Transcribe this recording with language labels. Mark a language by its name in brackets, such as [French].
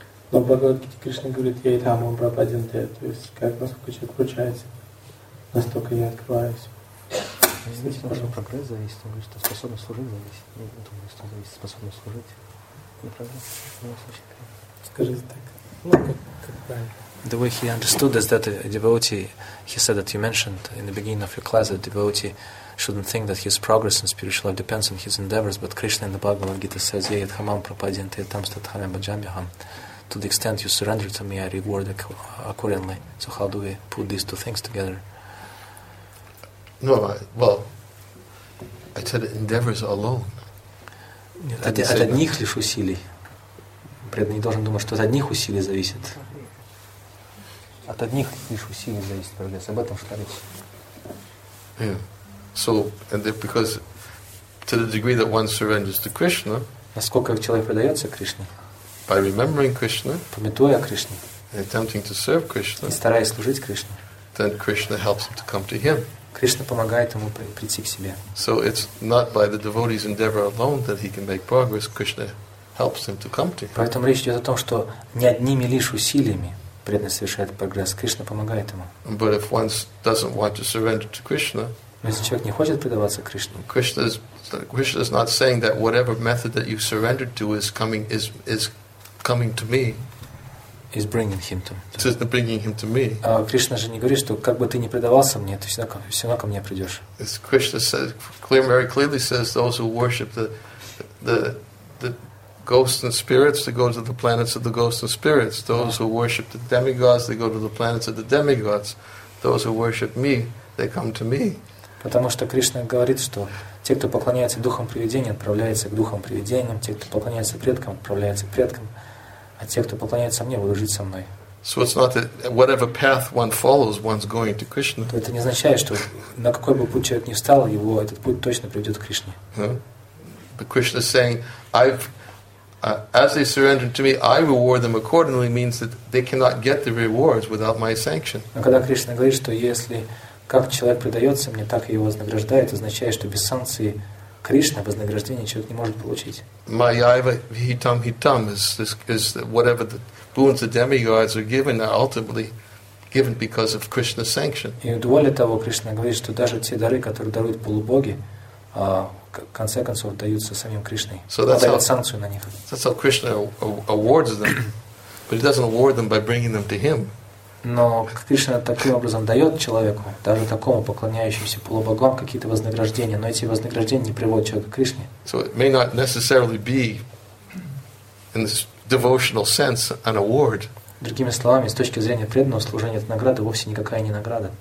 [Russian] Но Бхагавад-гита Кришна говорит, я и там, он пропаден для этого. То есть, как насколько человек включается, настолько я открываюсь. Зависит от того, что прогресс зависит, он говорит, что способность служить зависит. Я не думаю, что зависит способность служить. [English] The way he understood is that a devotee, he said that you mentioned in the beginning of your class, that a devotee shouldn't think that his progress in spiritual life depends on his endeavors, but Krishna in the Bhagavad Gita says, [Sanskrit] Yayat Hamam Prapadyante Tamstatharam Bhajamyaham. [English] To the extent you surrender to me, I reward accordingly. So how do we put these two things together? No, I said endeavors alone. [Russian] Нет, от одних лишь усилий. Преданный не должен думать, что от одних усилий зависит. От одних лишь усилий зависит прогресс. Об этом что речь? [English] Yeah. So, and if, because to the degree that one surrenders to Krishna, [Russian] насколько человек предается Кришне, [English] by remembering Krishna, [Russian] памятуя о Кришне, [English] and attempting to serve Krishna, [Russian] и стараясь служить Кришне, [English] then Krishna helps him to come to Him. [Russian] Кришна помогает ему прийти к себе. [English] So it's not by the devotee's endeavor alone that he can make progress. Krishna helps him to come to him. [Russian] Поэтому речь идет о том, что не одними лишь усилиями преданный совершает прогресс. Кришна помогает ему. [English] But if one doesn't want to surrender to Krishna, [Russian] если человек не хочет предаваться Кришне, [English] Krishna is not saying that whatever method that you surrendered to is coming to me. Is bringing him to me. So bringing him to me. [Russian] А Кришна же не говорит, что как бы ты ни предавался мне, ты все равно ко мне придешь. [English] As Krishna says, very clearly says, those who worship the ghosts and spirits, they go to the planets of the ghosts and spirits. Those who worship the demigods, they go to the planets of the demigods. Those who worship me, they come to me. [Russian] Потому что Кришна говорит, что те, кто поклоняется духам привидений, отправляются к духам привидениям. Те, кто поклоняется предкам, отправляются к предкам. А те, кто поклоняется мне, будут жить со мной. [English] So it's not that whatever path one follows, one's going to Krishna. [Russian] Это не означает, что на какой бы путь человек ни встал, его этот путь точно приведет к Кришне. [English] But Krishna is saying, as they surrender to me, I reward them accordingly, means that they cannot get the rewards without my sanction. [Russian] Но когда Кришна говорит, что если как человек предается мне, так и его вознаграждает, означает, что без санкции Кришна вознаграждение человек не может получить. [Sanskrit] Майяйва хитам хитам [English] is whatever the boons the demigods are given are ultimately given because of Krishna's sanction. [Russian] И более того, Кришна говорит, что даже те дары, которые даруют полубоги, в конце концов даются самим Кришной. [English] So that's [Russian] дает санкцию на них. [English] That's how Krishna awards them, but he doesn't award them by bringing them to him. [Russian] Но Кришна таким образом дает человеку, даже такому поклоняющемуся полубогам, какие-то вознаграждения, но эти вознаграждения не приводят человека к Кришне. [English] So it may not necessarily be in this devotional sense an award. [Russian] Другими словами, с точки зрения преданного служения, это награда, вовсе никакая не награда.